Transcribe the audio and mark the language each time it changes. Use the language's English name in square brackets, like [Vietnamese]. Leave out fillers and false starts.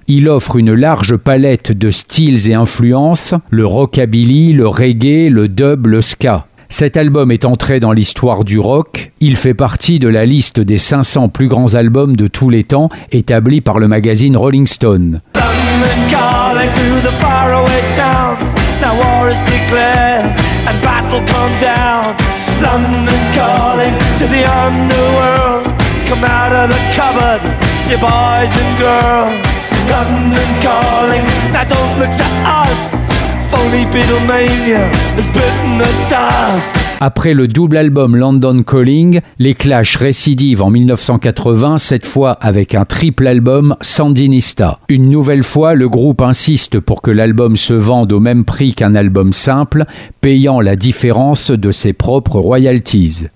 [French] Il offre une large palette de styles et influences, le rockabilly, le reggae, le dub, le ska. Cet album est entré dans l'histoire du rock. Il fait partie de la liste des 500 plus grands albums de tous les temps établie par le magazine Rolling Stone. [English] And calling to the faraway towns. Now war is declared and battle come down. London calling to the underworld. Come out of the cupboard, you boys and girls. London calling, now don't look to us. Phony Beatlemania has bitten the dust. [French] Après le double album London Calling, les Clash récidivent en 1980, cette fois avec un triple album Sandinista. Une nouvelle fois, le groupe insiste pour que l'album se vende au même prix qu'un album simple, payant la différence de ses propres royalties.